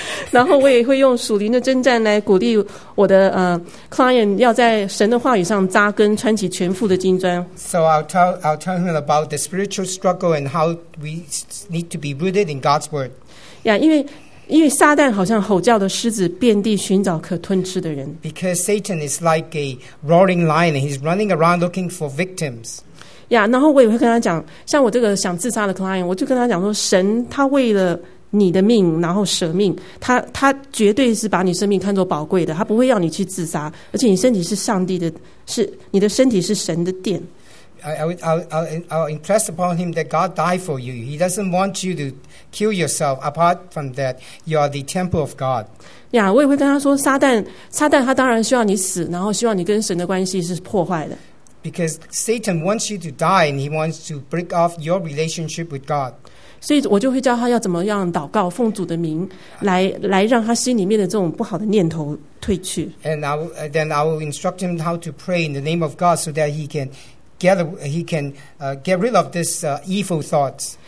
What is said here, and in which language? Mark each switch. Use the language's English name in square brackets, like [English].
[Chinese] 然后我也会用属灵的征战来鼓励我的client 要在神的话语上扎根，穿起全副的金装。 [English] So I'll tell him about the spiritual struggle and how we need to be rooted in God's word. [Chinese] Yeah, 因为撒旦好像吼叫的狮子，遍地寻找可吞吃的人。 [English] Because Satan is like a roaring lion, he's running around looking for victims. [Chinese] Yeah, 然后我也会跟他讲，像我这个想自杀的 client， 我就跟他讲说，神他为了你的命，然后舍命，他绝对是把你生命看作宝贵的，他不会要你去自杀，而且你身体是上帝的，是你的身体是神的殿。 [English] I'll impress upon him that God died for you. He doesn't want you to kill yourself. Apart from that, you are the temple of God. [Chinese] Yeah, 我也会跟他说，撒旦他当然希望你死，然后希望你跟神的关系是破坏的。 [English] Because Satan wants you to die, and he wants to break off your relationship with God. [Chinese] 所以我就会教他要怎么样祷告，奉主的名来让他心里面的这种不好的念头退去。 [English] And then I will instruct him how to pray in the name of God so that he can get rid of this evil thoughts.